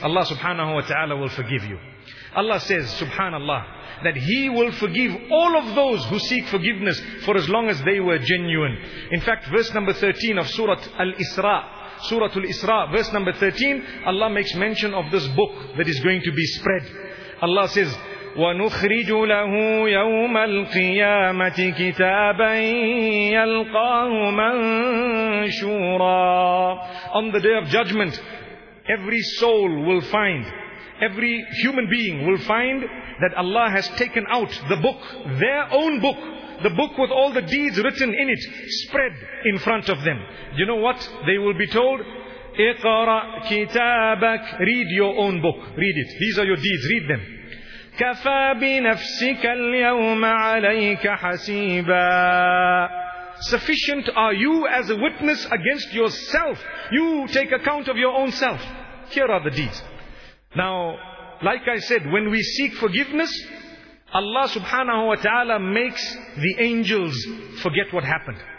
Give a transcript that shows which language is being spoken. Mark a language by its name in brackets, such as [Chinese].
[English] Allah subhanahu wa ta'ala will forgive you. Allah says, subhanallah, that He will forgive all of those who seek forgiveness for as long as they were genuine. In fact, verse number 13 of Surah Al-Isra, Surah Al-Isra, verse number 13, Allah makes mention of this book that is going to be spread. Allah says, [Arabic] وَنُخْرِجُ لَهُ يَوْمَ الْقِيَامَةِ كِتَابًا يَلْقَاهُ مَنْشُورًا. [English] On the Day of Judgment, every soul will find, every human being will find that Allah has taken out the book, their own book, the book with all the deeds written in it, spread in front of them. You know what? They will be told, [Arabic] اقرأ كتابك. [English] Read your own book. Read it. These are your deeds. Read them. [Arabic] كفى بنفسك اليوم عليك حسيبا. [English] Sufficient are you as a witness against yourself. You take account of your own self. Here are the deeds. Now, like I said, when we seek forgiveness, Allah subhanahu wa ta'ala makes the angels forget what happened.